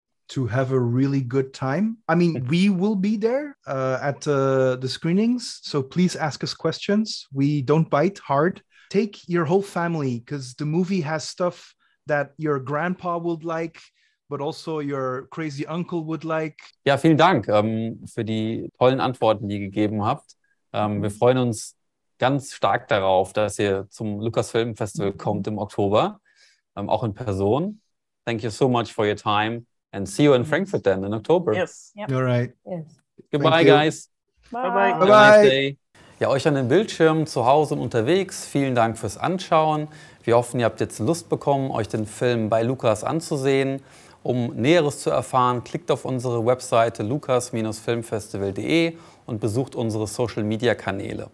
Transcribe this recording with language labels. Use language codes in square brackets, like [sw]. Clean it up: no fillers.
[en] To have a really good time. I mean, we will be there at the screenings. So please ask us questions. We don't bite hard. Take your whole family, because the movie has stuff that your grandpa would like, but also your crazy uncle would like. [de] Ja, vielen Dank für die tollen Antworten, die ihr gegeben habt. Wir freuen uns ganz stark darauf, dass ihr zum Lucasfilm Festival kommt im Oktober, auch in Person. [en] Thank you so much for your time and see you in Frankfurt then in October. Yes. Yep. All right. Yes. Goodbye, guys. Bye-bye. Bye-bye. Have a nice day. [de] Ja, euch an den Bildschirmen, zu Hause und unterwegs, vielen Dank fürs Anschauen. Wir hoffen, ihr habt jetzt Lust bekommen, euch den Film bei Lucas anzusehen. Um Näheres zu erfahren, klickt auf unsere Webseite lucas-filmfestival.de und besucht unsere Social-Media-Kanäle.